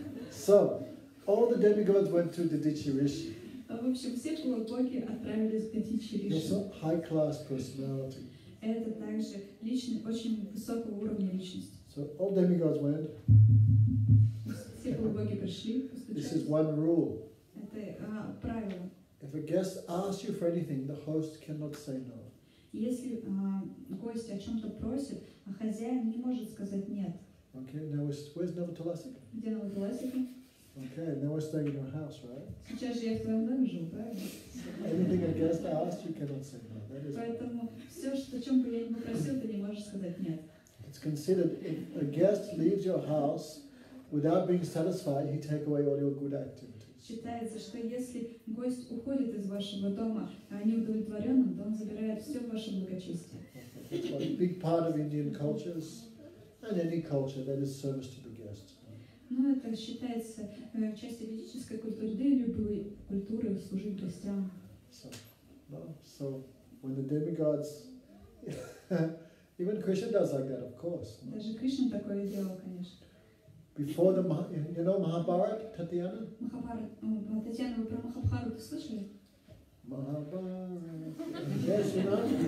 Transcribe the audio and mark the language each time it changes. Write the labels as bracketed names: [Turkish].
[English] So, all the demigods went to the Dichi Rishi. [Russian] В общем, все полубоги отправились к Дичи Риши. [English] Also high class personality. [Russian] Это также личный, очень высокого уровня личность. [English] So all demigods went. [Russian] Все полубоги пришли. [English] This is one rule. [Russian] Это правило. [English] If a guest asks you for anything, the host cannot say no. [Russian] Если гость о чем-то просит, а хозяин не может сказать нет. [English] Okay, now where's Novotolasik? [Russian] Где Новотолосик? [English] Okay, now we're staying in your house, right? [Russian] Сейчас же я в твоем доме живу, правильно? [English] Anything a guest asks, you cannot say no. That is. [Russian] Поэтому все, что о чем бы я ни попросил, ты не можешь сказать нет. [English] It's considered if a guest leaves your house without being satisfied, he take away all your good activities. [Russian] Считается, что если гость уходит из вашего дома, а не удовлетворенным, то он забирает все ваше благочестие. [English] Okay. Well, a big part of Indian cultures and any culture that is service to the guest. [Russian] Ну, это считается частью ведической культуры, да и любой культуры служить гостям. [English] So, when the demigods, even Krishna does like that, of course. No? [Russian] Даже Кришна такое делал, конечно. [English] Before the, you know, Mahabharata, Татьяна? [Russian] Махабхарата, Татьяна, вы про Махабхарату слышали? [English] Махабхарата, yes, you know?